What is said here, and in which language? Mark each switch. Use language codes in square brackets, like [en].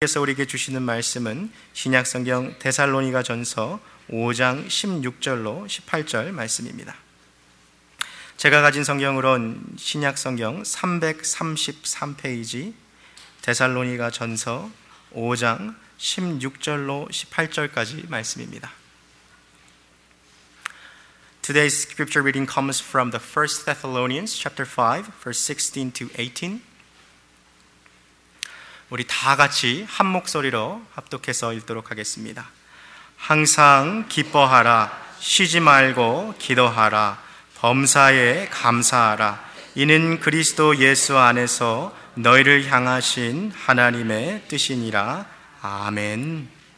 [ko] 께서 우리에게 주시는 말씀은 신약성경 데살로니가 전서 5장 16절로 18절 말씀입니다. 제가 가진 성경으론 신약성경 333페이지 데살로니가 전서 5장 16절로 18절까지 말씀입니다. [en] Today's scripture reading comes from the 1 Thessalonians chapter 5 verse 16 to 18. [ko] 우리 다 같이 한 목소리로 합독해서 읽도록 하겠습니다. 항상 기뻐하라, 쉬지 말고 기도하라, 범사에 감사하라. 이는 그리스도 예수 안에서 너희를 향하신 하나님의 뜻이니라. 아멘.